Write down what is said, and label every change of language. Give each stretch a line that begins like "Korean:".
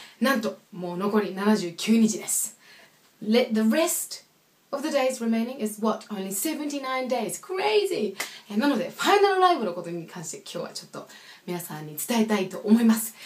Japanese: なんともう残り79日です。
English: Let the rest of the days remaining is what? Only 79 days! Crazy!
Japanese: なのでファイナルライブのことに関して今日はちょっと皆さんに伝えたいと思います。